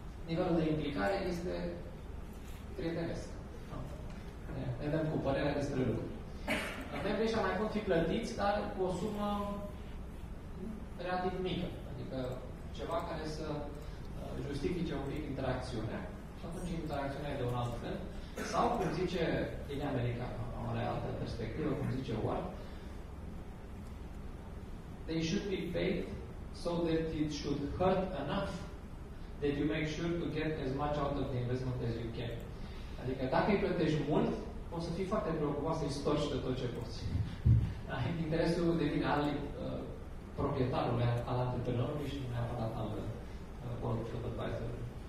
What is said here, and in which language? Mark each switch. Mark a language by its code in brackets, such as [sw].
[ro] Nivelul de implicare este prietenesc. Ne dăm cu părerea despre lucruri. Avem deja mai pot fi plătiți, dar cu o sumă relativ mică. Adică ceva care să justifice un pic interacțiunea. Și atunci interacțiunea e de un alt fel. Sau, cum zice din America, o altă perspectivă, cum zice Ward, [en] they should be paid so that it should hurt enough that you make sure to get as much out of the investment as you can. [ro] Adică dacă îi plătești mult, o să fii foarte preocupat să-i storci de tot ce poți. Interesul devine al proprietarului, al antreprenorului și nu neapărat al board advisor-ului.